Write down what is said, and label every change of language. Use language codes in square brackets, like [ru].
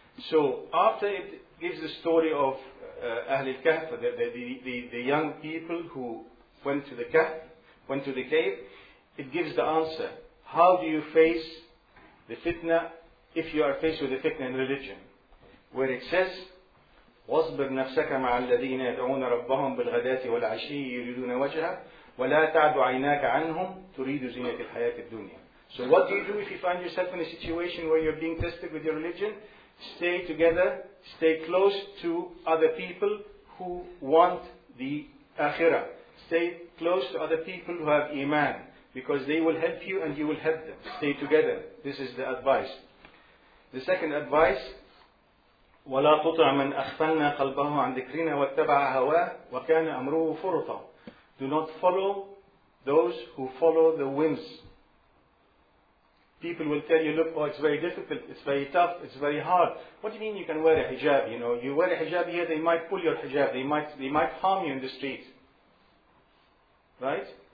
[en] So, after it gives the story of Ahl al-Kahf, the young people who went to the Kahf, went to the cave, it gives the answer. How do you face the fitna if you are faced with the fitna in religion? Where it says, [ar] وَاصْبِرْ نَفْسَكَ مَعَ الَّذِينَ يَدْعُونَ رَبَّهُمْ بِالْغَدَاةِ وَالْعَشِيِّ يُرِيدُونَ وَجْهَهُ وَلَا تَعْدُ عَيْنَاكَ عَنْهُمْ تُرِيدُ زِينَةَ الْحَيَاةِ الدُّنْيَا. [en] So what do you do if you find yourself in a situation where you're being tested with your religion? Stay together, stay close to other people who want the akhirah. Stay close to other people who have iman, because they will help you and you will help them. Stay together. This is the advice. The second advice, [ar] وَلَا تُطْعَ مَنْ أَخْفَلْنَا قَلْبَهُ عَنْ ذِكْرِنَا وَاتَّبَعَ هَوَاهُ وَكَانَ أَمْرُهُ فُرُطًا. [en] Do not follow those who follow the whims. People will tell you, look, oh, it's very difficult, it's very tough, it's very hard. What do you mean you can wear a hijab? You know, you wear a hijab here, they might pull your hijab, they might harm you in the street. Right?